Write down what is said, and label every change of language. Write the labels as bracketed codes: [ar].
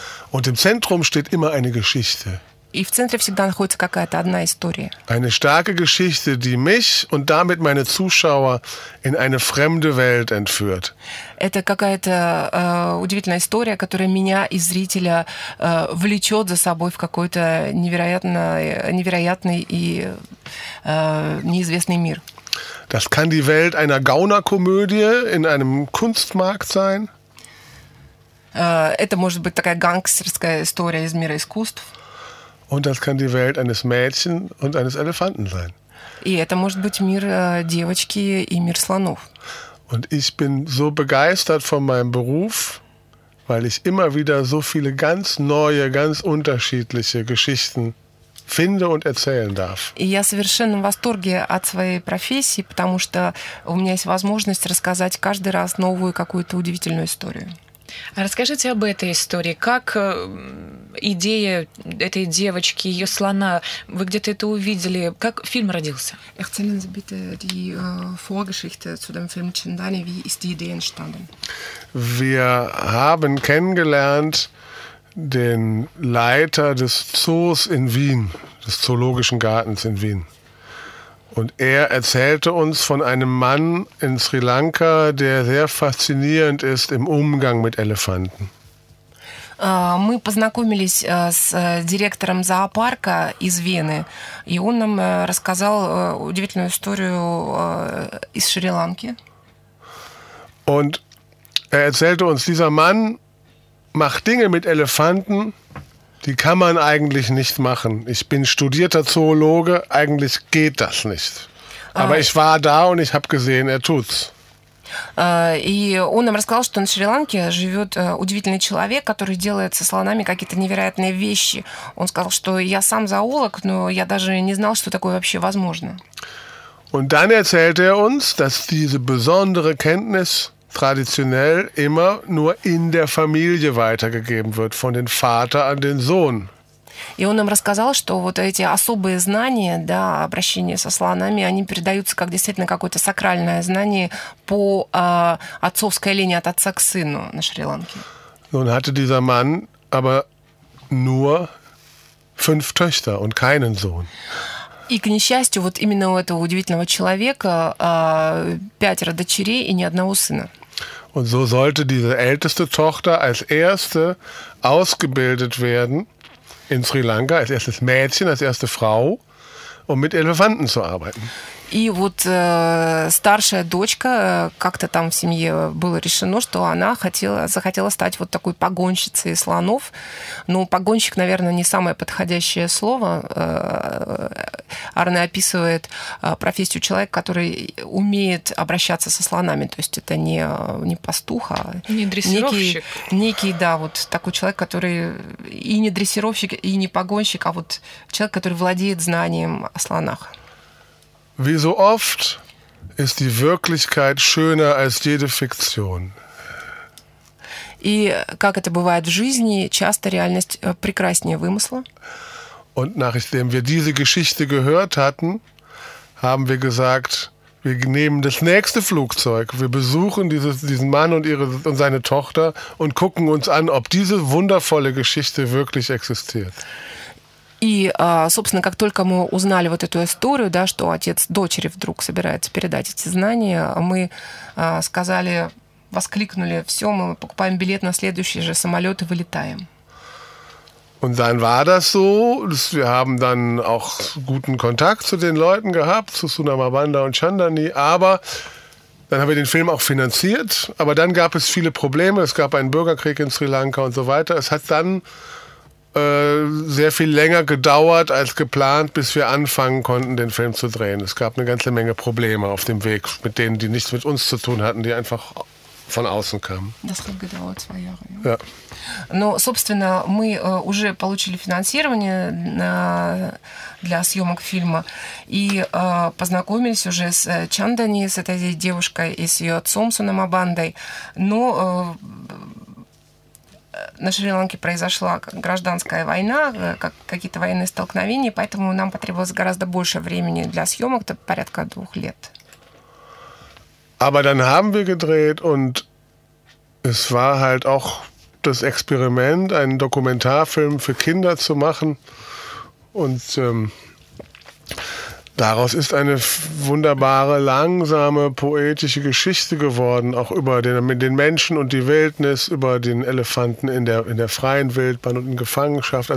[de] Und im Zentrum steht immer eine Geschichte. [ru] И в центре всегда находится какая-то одна история. [de] Eine starke Geschichte, die mich und damit meine Zuschauer in eine fremde Welt entführt. [ru] Это какая-то удивительная история, которая меня и зрителя влечет за собой в какой-то невероятный и неизвестный мир. [de] Das kann die Welt einer Gaunerkomödie in einem Kunstmarkt sein. [ru] Это может быть такая гангстерская история из мира искусств. [de] Und das kann die Welt eines Mädchen und eines Elefanten sein. [ru] И это может быть мир девочки и мир слонов. [de] Und ich bin so begeistert von meinem Beruf, weil ich immer wieder so viele ganz neue, ganz unterschiedliche Geschichten finde und erzählen darf. [ru] И я совершенно в восторге от своей профессии, потому что у меня есть возможность рассказать каждый раз новую какую-то удивительную историю. Расскажите об этой истории. Как идея этой девочки, ее слона, вы где-то это увидели? Как фильм родился? [de] Erzählen Sie bitte die Vorgeschichte zu dem Film Chandani. Wie ist die Idee entstanden? Wir haben kennengelernt den Leiter des Zoos in Wien, des Zoologischen Gartens in Wien. Und er erzählte uns von einem Mann in Sri Lanka, der sehr faszinierend ist im Umgang mit Elefanten. [ru] Мы познакомились с директором зоопарка из Вены, и он нам рассказал удивительную историю из Шри-Ланки. [de] Und er erzählte uns, dieser Mann macht Dinge mit Elefanten, die kann man eigentlich nicht machen. Ich bin studierter Zoologe, eigentlich geht das nicht. Aber ich war da und ich habe gesehen, er tut's. [ru] И он нам рассказал, что на Шри-Ланке живет удивительный человек, который делает со слонами какие-то невероятные вещи. Он сказал, что я сам зоолог, но я даже не знал, что такое вообще возможно. [de] Und dann erzählte er uns, dass diese besondere Kenntnis traditionell immer nur in der Familie weitergegeben wird, von den Vater an den Sohn. [ru] И он нам рассказал, что вот эти особые знания, да, обращение со слонами, они передаются как действительно какое-то сакральное знание по отцовской линии от отца к сыну на Шри-Ланке. [de] Nun hatte dieser Mann aber nur 5 Töchter und keinen Sohn. [ru] И, к несчастью, вот именно у этого удивительного человека 5 дочерей и ни одного сына. [de] Und so sollte diese älteste Tochter als erste ausgebildet werden in Sri Lanka, als erstes Mädchen, als erste Frau, um mit Elefanten zu arbeiten. [ru] И вот старшая дочка, как-то там в семье было решено, что она захотела стать вот такой погонщицей слонов. Ну, погонщик, наверное, не самое подходящее слово. Арне описывает профессию человека, который умеет обращаться со слонами. То есть это не пастух, а не дрессировщик. Некий, да, вот такой человек, который и не дрессировщик, и не погонщик, а вот человек, который владеет знанием о слонах. [de] Wie so oft ist die Wirklichkeit schöner als jede Fiktion. [ru] И как это бывает в жизни, часто реальность прекраснее вымысла. [de] Und nachdem wir diese Geschichte gehört hatten, haben wir gesagt, wir nehmen das nächste Flugzeug, wir besuchen diesen Mann und seine Tochter und gucken uns an, ob diese wundervolle Geschichte wirklich existiert. [ru] И, собственно, как только мы узнали вот эту историю, да, что отец дочери вдруг собирается передать эти знания, мы сказали, воскликнули, все, мы покупаем билет на следующий же самолет и вылетаем. [de] Und dann war das so, dass wir haben dann auch guten Kontakt zu den Leuten gehabt, zu Sunamabanda und Chandani, aber dann haben wir den Film auch finanziert, aber dann gab es viele Probleme, es gab einen Bürgerkrieg in Sri Lanka und so weiter. Es hat dann sehr viel länger gedauert als geplant, bis wir anfangen konnten, den Film zu drehen. Es gab eine ganze Menge Probleme auf dem Weg, mit denen, die nichts mit uns zu tun hatten, die einfach von außen kamen. Das hat gedauert 2 Jahre. Ja. Ja. [ru] Но, собственно, мы уже получили финансирование для съемок фильма и познакомились уже с Чандани, с этой девушкой и с ее отцом Сунамабандой. Но на Шри-Ланке произошла гражданская война, какие-то военные столкновения, поэтому нам потребовалось гораздо больше времени для съемок, это порядка 2 лет. [de] Aber dann haben wir gedreht und es war halt auch das Experiment, einen Dokumentarfilm für Kinder zu machen und daraus ist eine wunderbare, langsame, poetische Geschichte geworden, auch über den Menschen und die Wildnis, über den Elefanten in der freien Wildbahn und in Gefangenschaft.